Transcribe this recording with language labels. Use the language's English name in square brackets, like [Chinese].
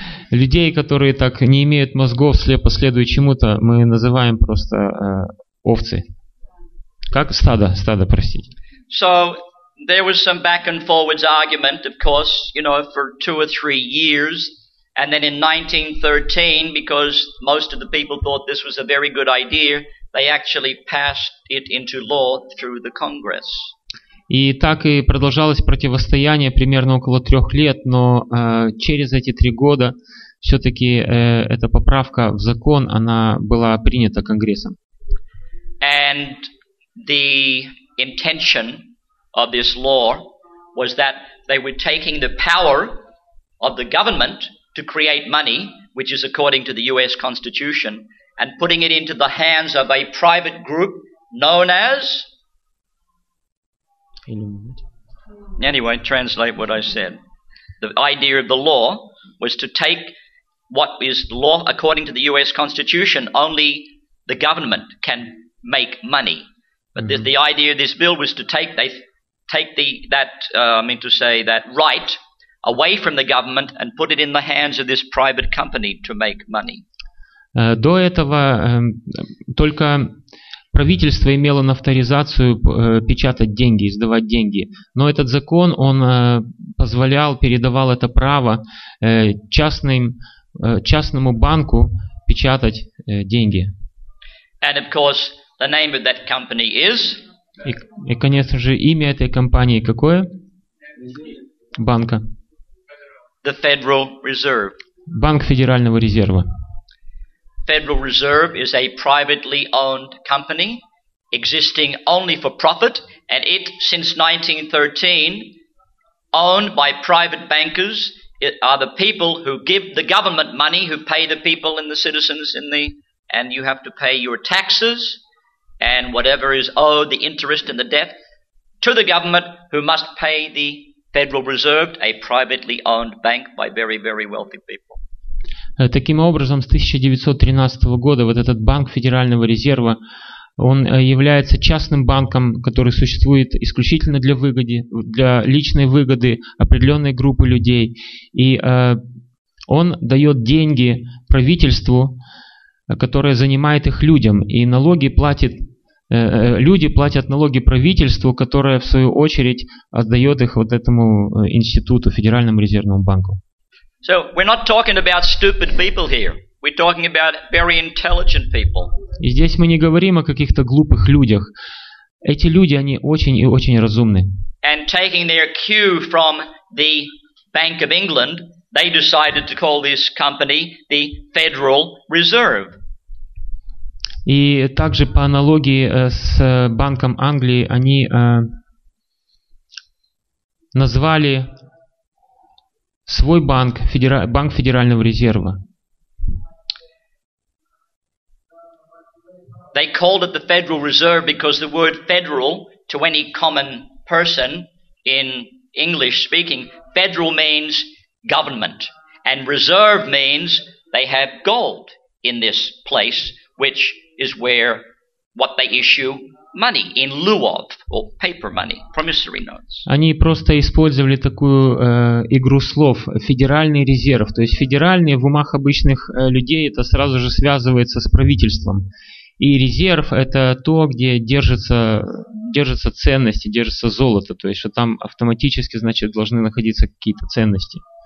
[Russian] Людей, которые так не имеют мозгов, слепо следуют чему-то, мы называем просто овцы. Как стадо, стадо, простите. [English] So there was some back and forwards argument, of course, you know, for two or three years, and then in 1913, because most of the people thought this was a very good idea, they actually passed it into law through the Congress. [Russian] И так и продолжалось противостояние примерно около трех лет, но через эти три года все-таки эта поправка в закон, она была принята Конгрессом. [English] And the intention of this law was that they were taking the power of the government to create money, which is according to the US Constitution, and putting it into the hands of a private group known as... Anyway, translate what I said. The idea of the law was to take what is law according to the US Constitution, only the government can make money. But the idea of this bill was to take that right away from the government and put it in the hands of this private company to make money. [Russian] До этого только правительство имело авторизацию печатать деньги, издавать деньги. Но этот закон, он позволял, передавал это право частному банку печатать деньги. [English] And of course, the name of that company is? [Russian] И, конечно же, имя этой компании какое? Банка. [English] The Federal Reserve. [Russian] Банк Федерального резерва. [English] Federal Reserve is a privately owned company existing only for profit, and it, since 1913, owned by private bankers, are the people who give the government money, who pay the people and the citizens in the... and you have to pay your taxes... and whatever is owed, the interest and the debt, to the government, who must pay the Federal Reserve, a privately owned bank by very, very wealthy people. [Russian] Таким образом, с 1913 года вот этот банк Федерального резерва, он является частным банком, который существует исключительно для выгоды, для личной выгоды определенной группы людей. И он дает деньги правительству, которое занимает их людям, и налоги платит. Люди платят налоги правительству, которое, в свою очередь, отдает их вот этому институту, Федеральному резервному банку. [English] So, we're not talking about stupid people here. We're talking about very intelligent people. [Russian] И здесь мы не говорим о каких-то глупых людях. Эти люди, они очень и очень разумны. [English] And taking their cue from the Bank of England, they decided to call this company the Federal Reserve. [Russian] И также по аналогии с Банком Англии они назвали свой банк Банк Федерального резерва. [English] They called it the Federal Reserve because the word federal to any common person in English speaking, federal means government, and reserve means they have gold in this place, which is where what they issue money in lieu of, or paper money, promissory notes. [Russian] Они просто использовали такую игру слов, федеральный резерв. То есть федеральный в умах обычных людей это сразу же связывается с правительством. И резерв это то, где держится ценности, держится золото. То есть что там автоматически, значит, должны находиться какие-то ценности.